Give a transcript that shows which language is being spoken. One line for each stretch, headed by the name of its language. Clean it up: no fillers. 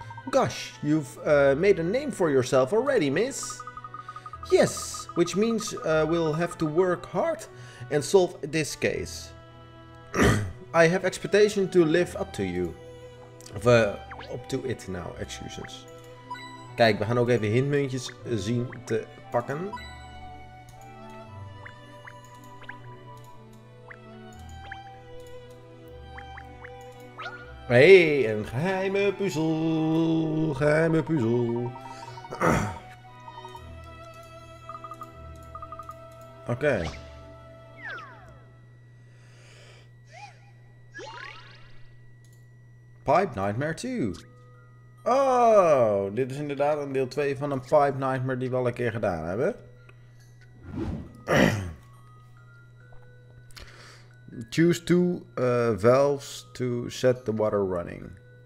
English: Gosh, you've made a name for yourself already, miss. Yes, which means we'll have to work hard and solve this case. I have expectation to live up to you. Of up to it now, excuses.
Dutch: Kijk, we gaan ook even hintmuntjes zien te pakken. Hey, een geheime puzzel. Geheime puzzel. Oké. Pipe Nightmare 2. Oh, dit is inderdaad een deel 2 van een Pipe Nightmare die we al een keer gedaan hebben.
English: Choose two valves to set the water running.